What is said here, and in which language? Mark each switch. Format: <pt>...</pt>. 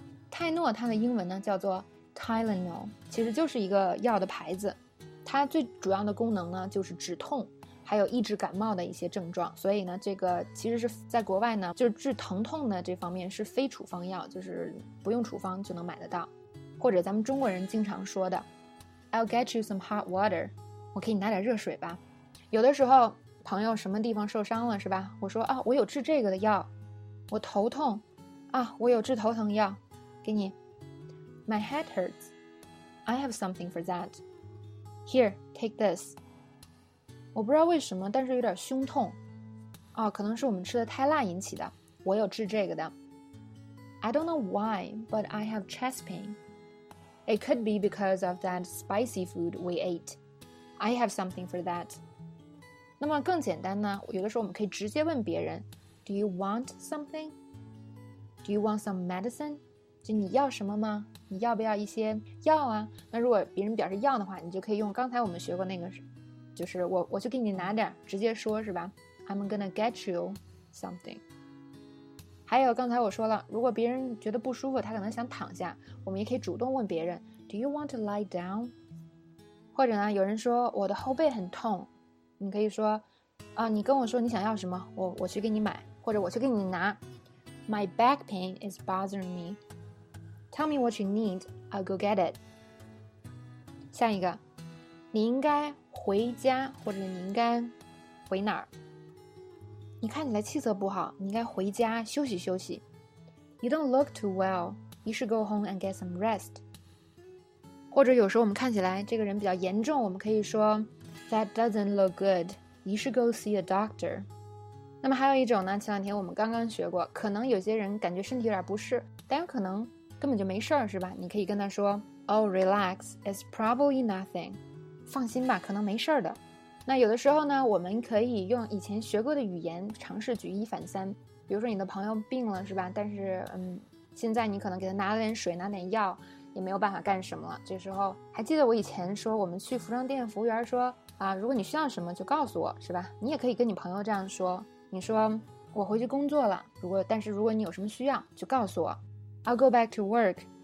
<zh>泰诺它的英文呢叫做 Tylenol， 其实就是一个药的牌子，它最主要的功能呢就是止痛还有抑制感冒的一些症状，所以呢这个其实是在国外呢就是治疼痛的这方面是非处方药，就是不用处方就能买得到，或者咱们中国人经常说的</zh> <en>I'll get you some hot water，</en> <zh>我给你拿点热水吧。有的时候朋友什么地方受伤了是吧，我说啊，我有治这个的药，我头痛啊，我有治头疼药给你。</zh> <en>My head hurts, I have something for that. Here, take this.</en> <zh>我不知道为什么，但是有点胸痛。哦，可能是我们吃的太辣引起的，我有治这个的。</zh> <en>I don't know why, but I have chest pain. It could be because of that spicy food we ate. I have something for that.</en> <zh>那么更简单呢，有的时候我们可以直接问别人，</zh> <en>Do you want something? Do you want some medicine?</en> <zh>就你要什么吗？你要不要一些药啊？那如果别人表示要的话，你就可以用刚才我们学过那个，就是我去给你拿点，直接说是吧？</zh> <en>I'm gonna get you something。</en> <zh>还有刚才我说了，如果别人觉得不舒服，他可能想躺下，我们也可以主动问别人，</zh> <en>Do you want to lie down?</en> <zh>或者呢，有人说我的后背很痛，你可以说啊，你跟我说你想要什么，我去给你买，或者我去给你拿。</zh> <en>My back pain is bothering meTell me what you need, I'll go get it.</en> <zh>下一个，你应该回家，或者你应该回哪儿？你看起来气色不好，你应该回家休息休息。</zh> <en>You don't look too well, you should go home and get some rest.</en> <zh>或者有时候我们看起来这个人比较严重，我们可以说</zh> <en>That doesn't look good, you should go see a doctor.</en> <zh>那么还有一种呢，前两天我们刚刚学过，可能有些人感觉身体有点不适，但有可能根本就没事儿，是吧？你可以跟他说</zh> <en>Oh, relax, it's probably nothing.</en> <zh>放心吧，可能没事儿的。那有的时候呢，我们可以用以前学过的语言尝试举一反三，比如说你的朋友病了是吧，但是现在你可能给他拿了点水拿点药也没有办法干什么了，这时候还记得我以前说我们去服装店服务员说啊，如果你需要什么就告诉我是吧，你也可以跟你朋友这样说，你说我回去工作了，但是如果你有什么需要就告诉我，</zh> <en>I'll go back to work.</en>